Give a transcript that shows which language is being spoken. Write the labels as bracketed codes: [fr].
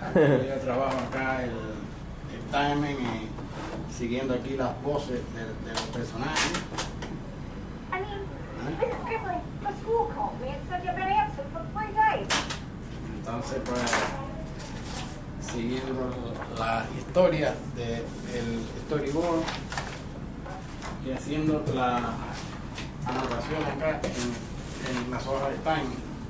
[es] Yo trabajo acá el timing y siguiendo aquí las voces de los personajes. [en] I mean, Mrs. Kipling, the school called me and said you've been absent for 3 days. [es] Entonces, pues, siguiendo la historia del storyboard y haciendo la anotación acá en las hojas de timing.